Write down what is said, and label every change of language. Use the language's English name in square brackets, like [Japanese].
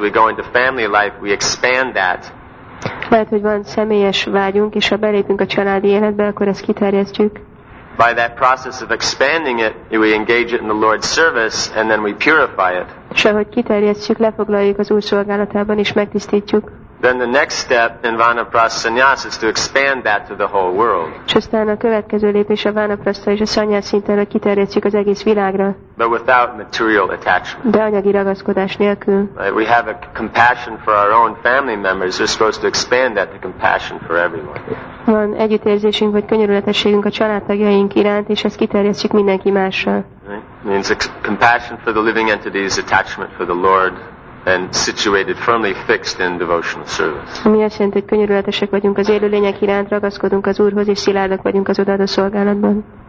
[English] We go into family life, we expand that. [Hungarian] Lehet, hogy van személyes vágyunk, és ha belépünk a családi életbe, akkor ezt kiterjesztjük. [English] By that process of expanding it, we engage it in the Lord's service, and then we purify it. [Hungarian] És ahogy kiterjesztjük, lefoglaljuk az Úr szolgálatában, és megtisztítjuk. [English] Then the next step in Vanaprastha Sanyas is to expand that to the whole world. [Hungarian] Aztán a következő lépés a Vanaprastha és a Sanyas szinten, hogy kiterjesszük az egész világra. [English] But without material attachment. [Hungarian] De anyagi ragaszkodás nélkül. [English] Right, we have a compassion for our own family members. We're supposed to expand that to compassion for everyone. [Hungarian] Van együttérzésünk vagy könyörületességünk a családtagjaink iránt, és ezt kiterjesszük mindenki másra. [English] Right? Means compassion for the living entities, attachment for the Lord, and situated firmly fixed in devotional service. [Hungarian] Mi azt jelenti, hogy könyörületesek vagyunk az élőlények iránt, ragaszkodunk az Úrhoz, és szilárdak vagyunk az odaadó szolgálatban.